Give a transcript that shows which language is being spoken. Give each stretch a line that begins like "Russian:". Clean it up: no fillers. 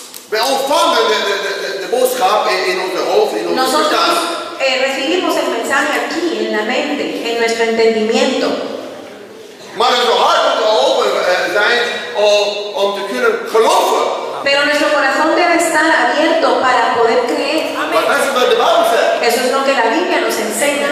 Dutch: We ontvangen de boodschap in onze hoofd, in onze verstand.
Spanish: Recibimos el mensaje aquí en la mente, en nuestro entendimiento.
Dutch: Maar onze hart moet open zijn om te kunnen geloven.
Spanish: Pero nuestro corazón debe estar abierto para poder creer.
English: Amén. That's what the Bible says.
Spanish: Eso es lo que la Biblia nos enseña.